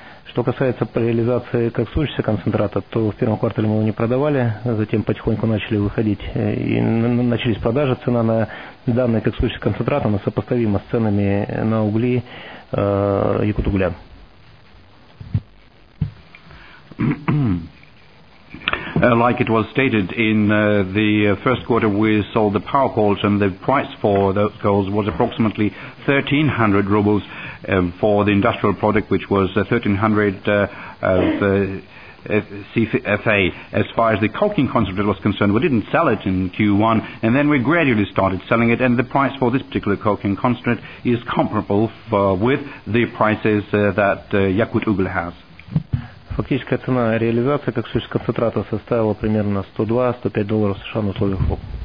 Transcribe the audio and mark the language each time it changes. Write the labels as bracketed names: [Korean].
[Russian] Что касается реализации коксующегося концентрата, то в первом квартале мы его не продавали, затем потихоньку начали выходить и начались продажи. Цена на данный коксующийся концентрат, она сопоставима с ценами на угли Якутугля. [English] Like it was stated in the first quarter, we sold the power coals, and the price for those coals was approximately 1,300 rubles for the industrial product, which was 1,300 CFA. As far as the coking concentrate was concerned, we didn't sell it in Q1, and then we gradually started selling it, and the price for this particular coking concentrate is comparable with the prices that Yakut Ugl has. [Russian] Фактическая цена реализации коксующего концентрата составила примерно 102-105 долларов США на условиях ФОП.